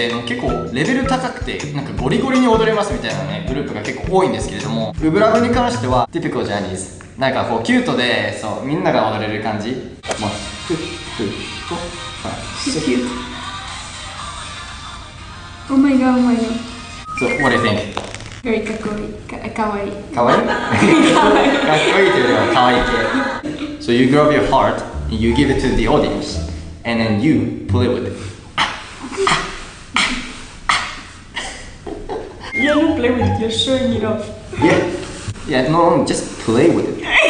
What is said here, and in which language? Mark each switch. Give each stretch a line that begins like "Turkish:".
Japanese: 結構レベル高くてなんかゴリゴリに踊れますみたいなねグループが結構多いんですけれども、ウブラブに関してはティピカルジャニーズ、なんかこうキュートで、そうみんなが踊れる感じ、まあ、キュート、はい、キュート、
English: Oh my god, oh my god. So what do you think? Very
Japanese: かっこいい、かわいい、かわいい、かっこいいというよりはかわいい系。
English: So you grab your heart and you give it to the audience and then you pull it with it You're showing it off. Yeah. Yeah, no, just play with it.